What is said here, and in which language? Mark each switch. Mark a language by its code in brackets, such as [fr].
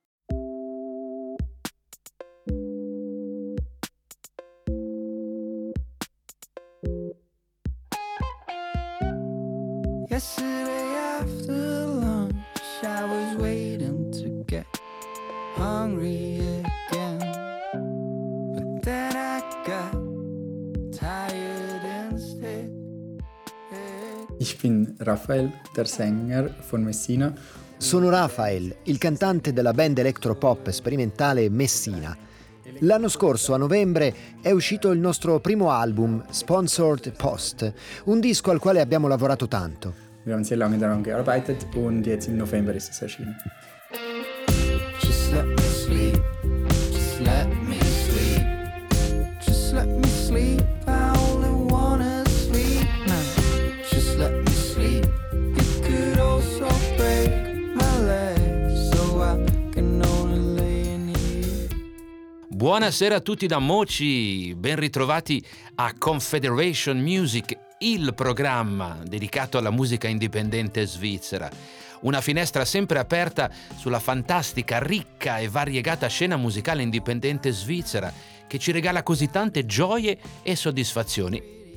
[en] Yesterday after lunch, I was waiting to get hungry again, but then I got tired instead. [de] Ich bin Raphael, der Sänger von Messina. [it] Sono Raphael, il cantante della band electropop sperimentale Messina. L'anno scorso, a novembre, è uscito il nostro primo album, Sponsored Post, un disco al quale abbiamo lavorato tanto. [de] Wir haben sehr lange daran gearbeitet und jetzt im November ist es erschienen. [en] Just let me sleep, just let me sleep, just let me sleep, I only wanna sleep now. Just let me sleep, it could also break my legs, so I can only lay in here. [it] Buonasera a tutti da Mochi, ben ritrovati a Confederation Music, il programma dedicato alla musica indipendente svizzera. Una finestra sempre aperta sulla fantastica, ricca e variegata scena musicale indipendente svizzera che ci regala così tante gioie e soddisfazioni.